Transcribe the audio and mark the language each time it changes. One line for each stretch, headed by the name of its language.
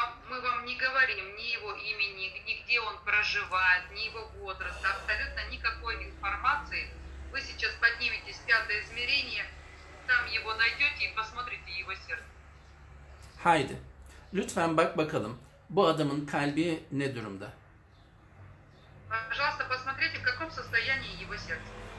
Russian: Мы вам не говорим ни его имени, ни где он проживает, ни его возраст, абсолютно никакой информации. Вы сейчас подниметесь в 5. измерение, там его найдете и посмотрите его сердце.
Turkish: Haydi. Lütfen bak bakalım. Bu adamın kalbi ne durumda?
Russian: Пожалуйста, посмотрите, в каком состоянии его сердце.